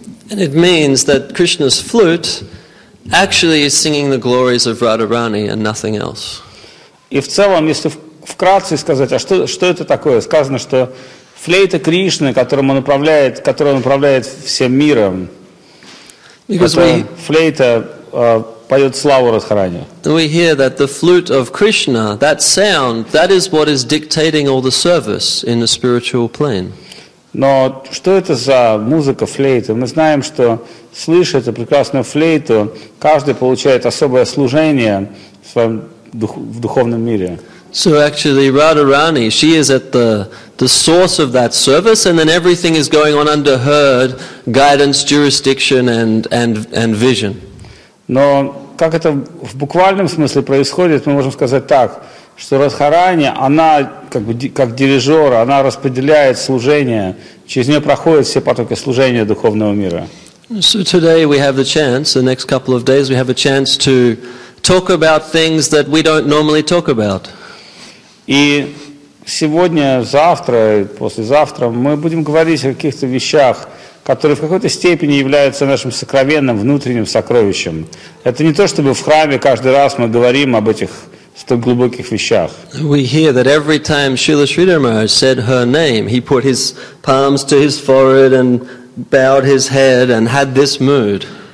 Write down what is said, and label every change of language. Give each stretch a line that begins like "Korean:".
English: And it means that Krishna's flute actually is singing the glories of Radharani and nothing else.
Russian: И в целом, если вкратце сказать, а что это такое? Сказано, что флейта Кришны, которую он управляет всем миром,
English: because
Russian: это флейта поет славу Радхарани.
English: We hear that the flute of Krishna, that sound, that is what is dictating all the service in the spiritual plane.
Russian: Но что это за музыка флейта? Мы знаем, что слыша эту прекрасную флейту, каждый получает особое служение в своем в духовном мире.
English: So actually Radharani, she is at the source of that service, and then everything is going on under her guidance, jurisdiction and vision.
Russian: Но как это в буквальном смысле происходит, мы можем сказать так, что Радхарани, она как бы как дирижер, она распределяет служение, через нее проходят все потоки служения духовного мира.
English: So today we have the chance, the next couple of days we have a chance to talk about things that we don't normally talk about.
Russian: И сегодня, завтра, послезавтра мы будем говорить о каких-то вещах, которые в какой-то степени являются нашим сокровенным внутренним сокровищем. Это не то, чтобы в храме каждый раз мы говорим об этих столь глубоких вещах.
English: We hear that every time Srila Sridhar Maharaj said her name, he put his palms to his forehead and bowed his head and had this mood.